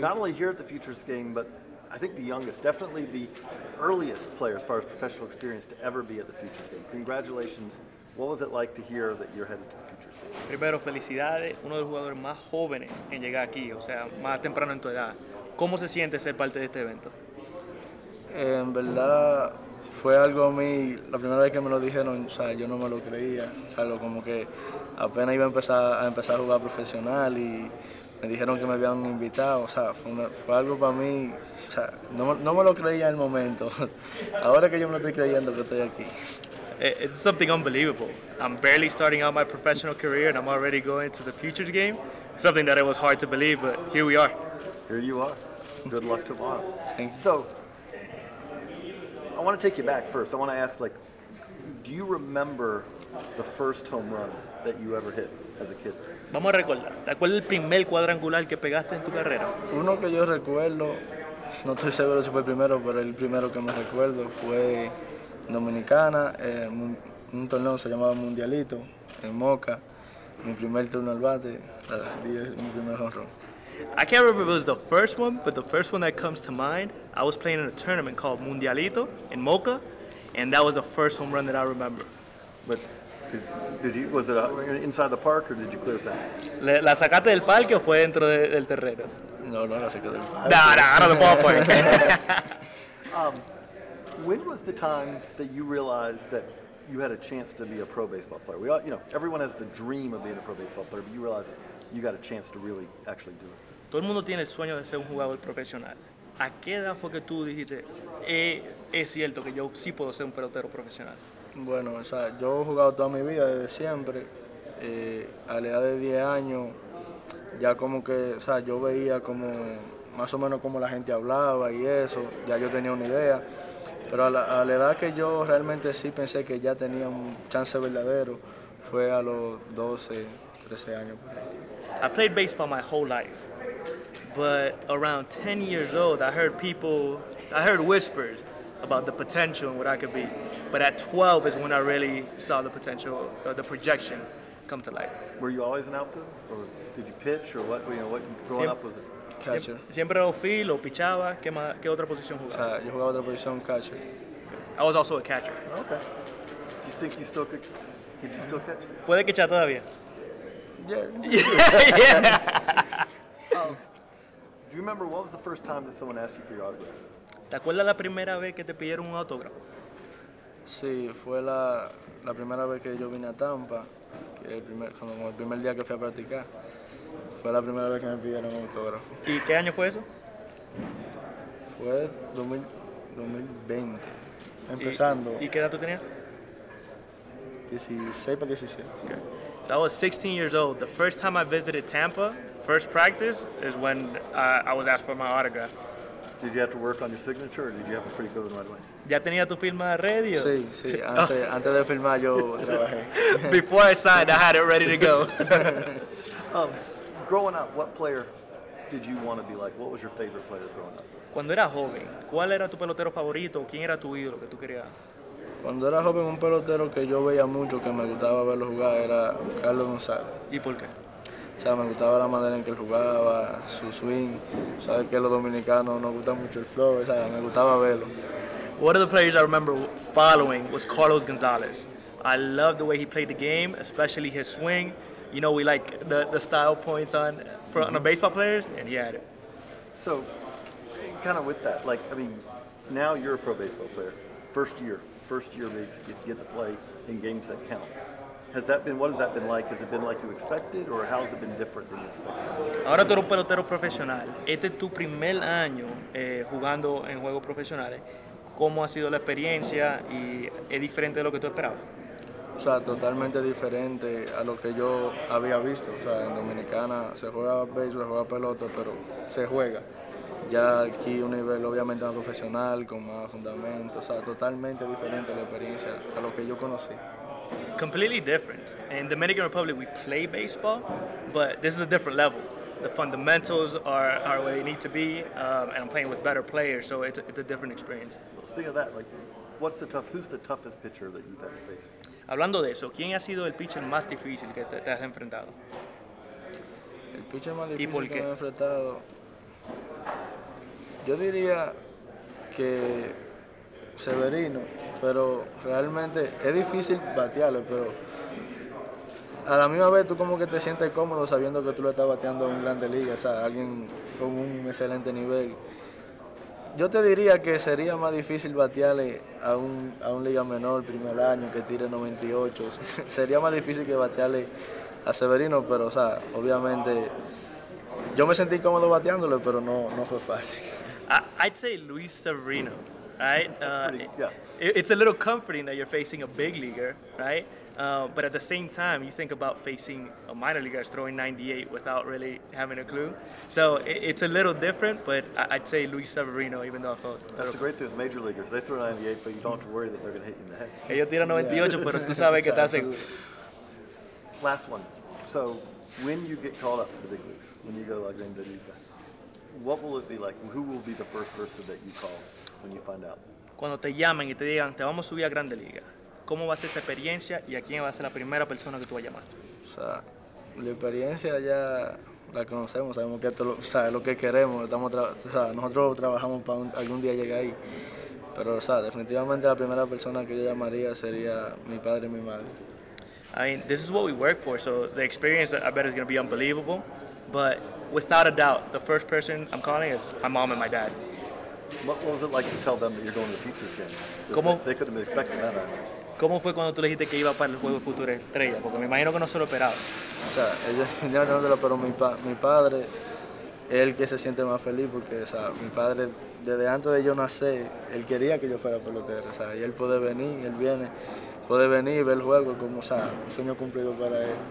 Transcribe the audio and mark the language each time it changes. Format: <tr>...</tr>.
<en>Not only here at the Futures game, but I think the youngest, definitely the earliest player as far as professional experience to ever be at the Futures game. Congratulations. What was it like to hear that you're headed to the Futures game?</en> <es>Primero, felicidades. Uno de los jugadores más jóvenes en llegar aquí, o sea, más temprano en tu edad. ¿Cómo se siente ser parte de este evento? En verdad, fue algo a mí, la primera vez que me lo dijeron, o sea, yo no me lo creía. O sea, como que apenas iba a empezar a jugar profesional y me dijeron que me habían invitado. O sea, fue algo para mí, o sea, no me lo creía en el momento. Ahora que yo me lo estoy creyendo que estoy aquí.</es> <en>It's something unbelievable. I'm barely starting out my professional career and I'm already going to the Futures game. Something that it was hard to believe, but here we are. Here you are. Good luck tomorrow. Thank you. So, I want to take you back first. I want to ask, like, do you remember the first home run that you ever hit as a kid?</en> <es>Vamos a recordar. ¿Te acuerdas el primer cuadrangular que pegaste en tu carrera? Uno que yo recuerdo, no estoy seguro si fue el primero, pero el primero que me recuerdo fue en Dominicana, un torneo se llamaba Mundialito, en Moca. Mi primer turno al bate, mi primer home run.</es> <en>I can't remember if it was the first one, but the first one that comes to mind, I was playing in a tournament called Mundialito in Moca, and that was the first home run that I remember. But was it inside the park, or did you clear that?</en> <es>¿La sacaste del parque o fue dentro del terreno? No, no la saqué del parque. No, no, no, no, no, no, no.</es> <en>When was the time that you realized that you had a chance to be a pro baseball player? Everyone has the dream of being a pro baseball player, but you realize you got a chance to really actually do it.</en> <es>Todo el mundo tiene el sueño de ser un jugador profesional. ¿A qué edad fue que tú dijiste, es cierto que yo sí puedo ser un pelotero profesional? Bueno, o sea, yo he jugado toda mi vida desde siempre. A la edad de 10 años, ya como que, o sea, yo veía como, más o menos como la gente hablaba y eso, ya yo tenía una idea. Pero a la edad que yo realmente sí pensé que ya tenía un chance verdadero, fue a los 12, 13 años.</es> <en>I played baseball my whole life, but around 10 years old, I heard whispers about the potential and what I could be. But at 12 is when I really saw the potential, the projection come to light. Were you always an outfielder? Or did you pitch? Or what, what growing up was it? Catcher.</en> <es>Siempre outfield o pichaba. ¿Qué otra posición jugaba? O sea, yo jugaba otra posición, catcher.</es> <en>I was also a catcher. Okay. Do you think you still could you still catch?</en> <es>Puede que echar todavía.</es> <en>Yeah. Do you remember what was the first time that someone asked you for your autograph?</en> <es>¿Te acuerdas la primera vez que te pidieron un autógrafo? Sí, fue la primera vez que yo vine a Tampa, el primer día que fui a practicar. Fue la primera vez que me pidieron un autógrafo. ¿Y qué año fue eso? Fue 2020, empezando. ¿Y qué edad tú tenías? 16 para 17.</es> <en>Okay. So I was 16 years old. The first time I visited Tampa, first practice, is when I was asked for my autograph. Did you have to work on your signature, or did you have a pretty good one right away?</en> <es>¿Ya tenía tu firma ready? Sí, sí. Antes de firmar, yo trabajé.</es> <en>Before I signed, I had it ready to go. Growing up, what player did you want to be like? What was your favorite player growing up?</en> <es>Cuando era joven, ¿cuál era tu pelotero favorito? ¿Quién era tu ídolo que tú querías? Cuando era joven, un pelotero que yo veía mucho, que me gustaba verlo jugar, era Carlos González. ¿Y por qué? O sea, me gustaba la manera en que él jugaba, su swing. Sabes que los dominicanos nos gusta mucho el flow, o sea, me gustaba verlo.</es> <en>One of the players I remember following was Carlos González. I love the way he played the game, especially his swing. You know, we like the style points on the baseball players, and he had it. So, kind of with that, like, I mean, now you're a pro baseball player. First year basically, to get to play in games that count. What has that been like? Has it been like you expected, or how has it been different than you expected?</en> <es>Ahora tú eres un pelotero profesional. Este es tu primer año jugando en juegos profesionales. ¿Cómo ha sido la experiencia y es diferente de lo que tú esperabas? O sea, totalmente diferente a lo que yo había visto. O sea, en Dominicana se juega béisbol, se juega pelota, pero se juega. Ya aquí un nivel obviamente más profesional, con más fundamento. O sea, totalmente diferente la experiencia a lo que yo conocí.</es> <en>Completely different. In Dominican Republic, we play baseball, but this is a different level. the fundamentals are where they need to be, and I'm playing with better players, so it's a different experience. Well, speaking of that, who's the toughest pitcher that you've had to face?</en> <es>Hablando de eso, ¿quién ha sido el pitcher más difícil que te has enfrentado? El pitcher más difícil que me he enfrentado, yo diría que Severino, pero realmente es difícil batearlo, pero a la misma vez tú como que te sientes cómodo sabiendo que tú lo estás bateando en grande liga, o sea, alguien con un excelente nivel. Yo te diría que sería más difícil batearle a un liga menor primer año que tire 98. Sería más difícil que batearle a Severino, pero o sea, obviamente yo me sentí cómodo bateándole, pero no fue fácil.</es> <en>I'd say Luis Severino, right? It's a little comforting that you're facing a big leaguer, right? But at the same time, you think about facing a minor leaguer throwing 98 without really having a clue. So it's a little different, but I'd say Luis Severino, even though I felt... That's the great thing with major leaguers. They throw 98, but you don't have to worry that they're going to hit you in the head.</en> <es>Ellos tiran 98, pero tú sabes que estás seguro.</es> <en>Last one. So when you get called up to the big leagues, when you go to La Grande Liga, what will it be like? Who will be the first person that you call when you find out?</en> <es>Cuando te llamen y te digan, te vamos a subir a Grande Liga. ¿Cómo va a ser esa experiencia y a quién va a ser la primera persona que tú vas a llamar? O sea, la experiencia ya la conocemos, sabemos que esto lo, o sea, es lo que queremos. Nosotros trabajamos para algún día llegar ahí. Pero, o sea, definitivamente la primera persona que yo llamaría sería mi padre y mi madre.</es> <en>I mean, this is what we work for, so the experience, I bet, is going to be unbelievable. But without a doubt, the first person I'm calling is my mom and my dad. What was it like to tell them that you're going to the Futures game? They couldn't have expected that, I mean.</en> <es>¿Cómo fue cuando tú le dijiste que iba para el juego de Futura Estrella? Porque me imagino que no se lo esperaba. O sea, ellos finalmente no se lo esperaron. Mi padre es el que se siente más feliz porque, o sea, mi padre, desde antes de yo nacer, él quería que yo fuera pelotero. O sea, y él puede venir, él viene, puede venir y ver el juego como, o sea, un sueño cumplido para él.</es>